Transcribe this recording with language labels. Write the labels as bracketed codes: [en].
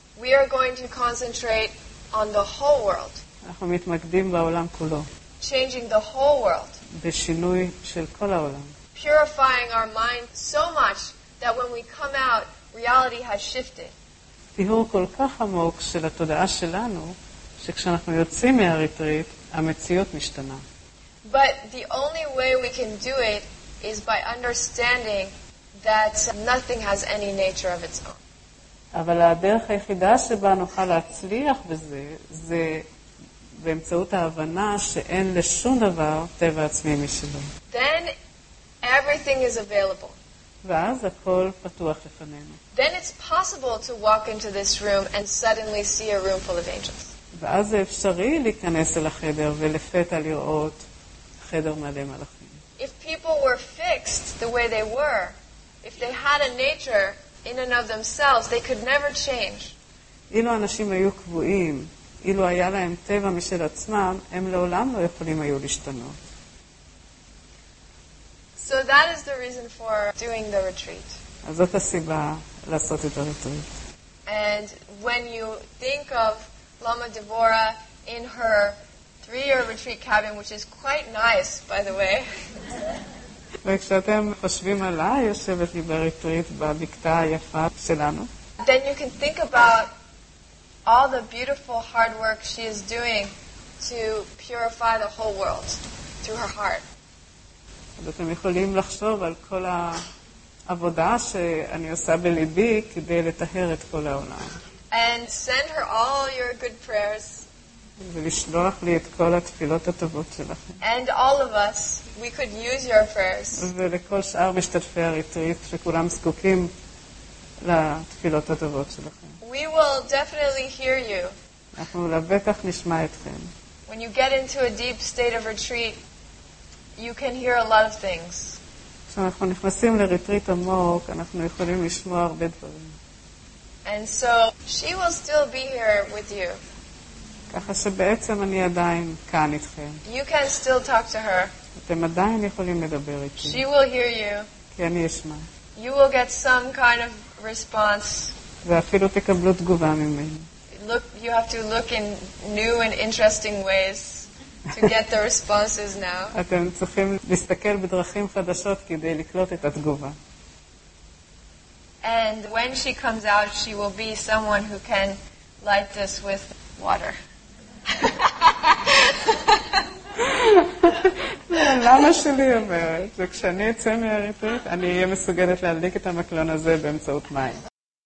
[en] We are going to concentrate on the whole world. [he] אנחנו מתמקדים בעולם כולו. [en] Changing the whole world. [he] בשינוי של כל העולם. [en] Purifying our mind so much that when we come out, reality has shifted. [he] טיהור כל כך עמוק של התודעה שלנו, שכשאנחנו יוצאים מהריטריט, המציאות משתנה. [en] But the only way we can do it is by understanding that nothing has any nature of its own. [he] אבל הדרך היחידה שבה נוכל להצליח בזה, זה באמצעות ההבנה שאין לשום דבר טבע עצמי משלו. [en] Then everything is available. [he] ואז הכל פתוח לפנינו. [en] Then it's possible to walk into this room and suddenly see a room full of angels. [he] ואז זה אפשרי להיכנס אל החדר ולפתע לראות חדר מלא מלאכים. [en] If people were fixed the way they were, if they had a nature in and of themselves, they could never change. [he] אילו אנשים היו קבועים, אילו היה להם טבע משל עצמם, הם לעולם לא יכולים היו להשתנות. [en] So that is the reason for doing the retreat. [he] אז זאת הסיבה לעשות את הריטריט. [en] And when you think of Lama Devora in her 3-year retreat cabin, which is quite nice, by the way. [he] וכשאתם חושבים עליי, יושבת לי בריטריט בבקתה היפה שלנו. [en] Then you can think about all the beautiful hard work she is doing to purify the whole world through her heart. [he] אז אתם יכולים לחשוב על כל העבודה שאני עושה בליבי כדי לטהר את כל העולם. [en] And send her all your good prayers. [he] ולשלוח לי את כל התפילות הטובות שלכם. [en] And all of us, we could use your prayers. [he] ולכל שאר משתתפי הריטריט שכולם זקוקים לתפילות הטובות שלכם. [en] We will definitely hear you. [he] אנחנו לבטח נשמע אתכם. [en] When you get into a deep state of retreat, you can hear a lot of things. [he] כשאנחנו נכנסים לריטריט עמוק, אנחנו יכולים לשמוע הרבה דברים. [en] And so she will still be here with you. [he] ככה שבעצם אני עדיין כאן איתכם. [en] You can still talk to her. [he] אתם עדיין יכולים לדבר איתי. [en] She will hear you. [he] כי אני אשמע. [en] You will get some kind of response. [he] ואפילו תקבלו תגובה ממני. [en] Look, you have to look in new and interesting ways to get the responses now. [he] אתם צריכים להסתכל בדרכים חדשות כדי לקלוט את התגובה. [en] And when she comes out, she will be someone who can light this with water. [he] למה שלי אומרת? וכשאני אצא מהריטריט, אני אהיה מסוגלת להדליק את המקלון הזה באמצעות מים.